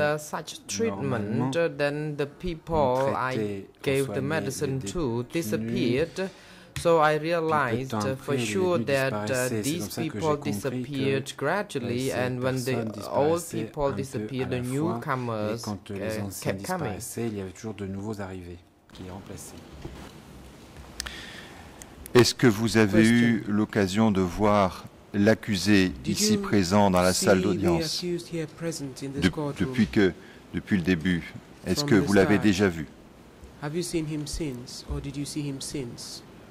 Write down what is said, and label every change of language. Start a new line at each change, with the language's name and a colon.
English: after such treatment, then the people I gave the medicine to disappeared. So I realized for sure that these people disappeared gradually, and when the old people disappeared, the newcomers kept coming.
French: Il y avait toujours de nouveaux arrivés qui les remplaçaient. Est-ce que vous avez eu l'occasion de voir l'accusé ici présent dans la salle d'audience depuis le début? Est-ce que vous l'avez déjà vu?
English: Have you seen him since, or did you see him since?